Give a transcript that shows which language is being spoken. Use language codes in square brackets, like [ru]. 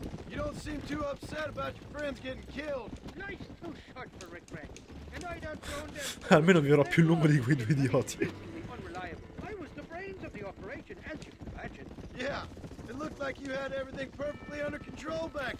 [en] You don't seem too upset about your friends getting killed. Life's too short for regret. And I don't condemn [it] Almeno vivrò più lungo di quei due idioti. [en] I was the brains of the operation, as you can imagine. Yeah, it looked like you had everything perfectly under control back